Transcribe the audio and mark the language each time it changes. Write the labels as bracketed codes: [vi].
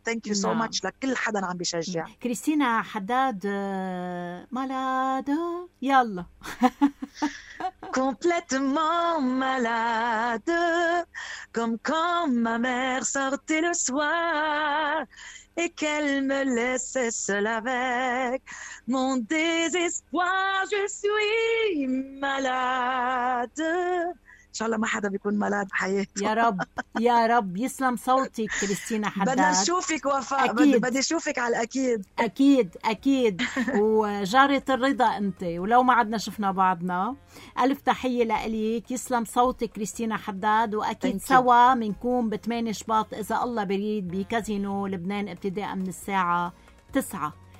[en] thank you so much [ar] لكل حدا عم بيشجع. كريستينا حداد مالادو، يلا [fr] complètement malade comme quand ma mère sortait le soir et qu'elle me laissait seule avec mon désespoir je suis malade. [ar] إن شاء الله ما حدا بيكون ملاد بحياته. يا رب يا رب يسلم صوتك كريستينا حداد. بدنا نشوفك وفاء. أكيد. بدي أشوفك على الأكيد. أكيد أكيد. وجارة الرضا أنت، ولو ما عدنا شفنا بعضنا. ألف تحية لأليك، يسلم صوتك كريستينا حداد، وأكيد سوا منكون بثماني شباط إذا الله بريد بكازينو لبنان ابتداء من الساعة 9.